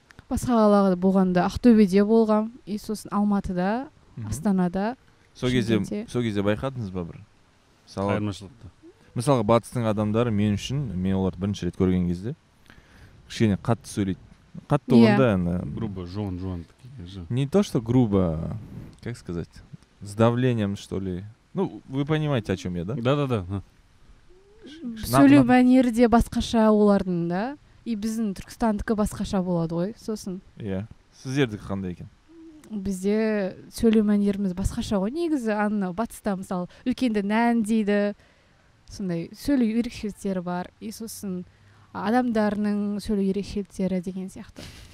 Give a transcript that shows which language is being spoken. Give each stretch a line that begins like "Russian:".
Kazakh: Басқа қалаларда болғанда Ақтөбеде болғам, и сосын Алматыда, Астанада. Сол кезде байқадыңыз ба бір? Айырмашылықты. Мысалы, батыстың адамдары мен үшін, мен оларды бірінші рет көрген кезде кішкене қатты сөйлейді. Қатты болғанда,
Russian: грубо,
Kazakh: жуан-жуан.
Russian: Не то, что грубо, как сказать, с давлением, что ли. Ну, вы понимаете, о чем я, да? Да-да-да.
Kazakh: Сөйлеу мәнерде басқаша олардың, да? И біздің Түркістандікі басқаша болады ғой, сосын. Иә. Сіздердікі қандай екен? Бізде сөйлеу мәнеріміз басқаша ғой, негізі. Ана батыста мысалы үлкенді нән дейді. Сондай сөйлеу ерекшеліктері бар. И сосын адамдарының сөйлеу ерекшеліктері деген сияқты.